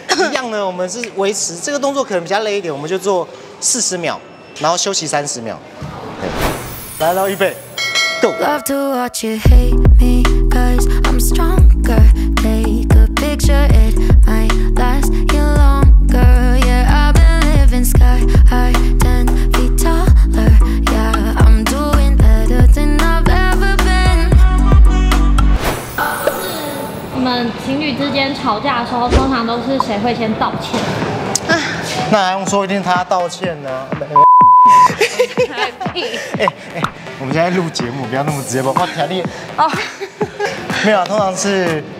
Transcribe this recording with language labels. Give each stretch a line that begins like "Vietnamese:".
Chinese: 一样呢，我们是维持这个动作可能比较累一点，我们就做40秒，然后休息30秒。来，到预备 ，Go。
English: Love to watch you hate me, cause I'm stronger. Take a picture, it might last you longer. Yeah, I've been living sky high, 10 feet taller. Yeah, I'm doing better than I've ever been.
Chinese: 我们情侣之间吵架的时候，通常都是谁会先道歉？那还用说一定他道歉呢？开屁！我们现在录节目，不要那么直接吧？哇，条例哦，没有，通常是。